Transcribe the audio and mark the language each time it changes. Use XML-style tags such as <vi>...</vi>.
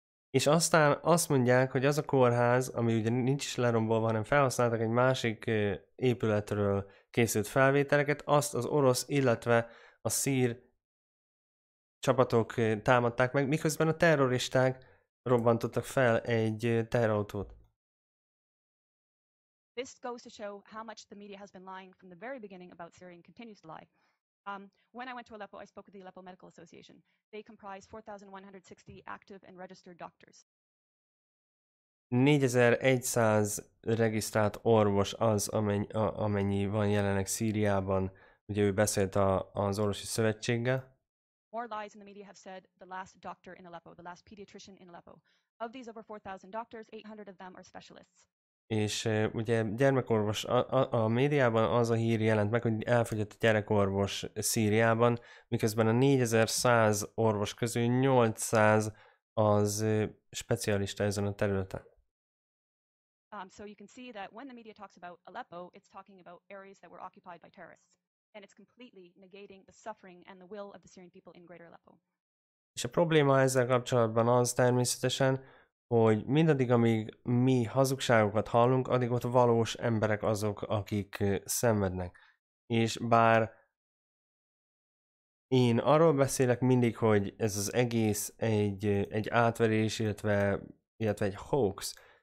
<hu>És aztán azt mondják, hogy az a kórház, ami ugye nincs is lerombolva, hanem felhasználtak egy másik épületről készült felvételeket, azt az orosz, illetve a szír csapatok támadták meg, miközben a terroristák robbantottak fel egy teherautót.</hu> <en>This goes to show how much the media has been lying from the very beginning about Syria and continues to lie. When I went to Aleppo, I spoke with the Aleppo Medical Association. They comprise 4,160 active and registered doctors.</en> <hu>4,100 regisztrált orvos az, amennyi van jelenleg Szíriában. Ugye ő beszélt az orvosi szövetséggel.</hu> <en>More lies in the media have said the last doctor in Aleppo, the last pediatrician in Aleppo. Of these over 4,000 doctors, 800 of them are specialists.</en> <hu>És ugye gyermekorvos, a médiában az a hír jelent meg, hogy elfogyott a gyerekorvos Szíriában, miközben a 4100 orvos közül 800 az specialista ezen a területen. So you can see that when the media talks about Aleppo, it's talking about areas that were occupied by terrorists. And it's completely negating the suffering and the will of the Syrian people in greater Aleppo. És a probléma ezzel kapcsolatban az természetesen, hogy mindaddig, amíg mi hazugságokat hallunk, addig ott valós emberek azok, akik szenvednek. És bár Én arról beszélek mindig, hogy ez az egész egy átverés, illetve egy hoax.</hu>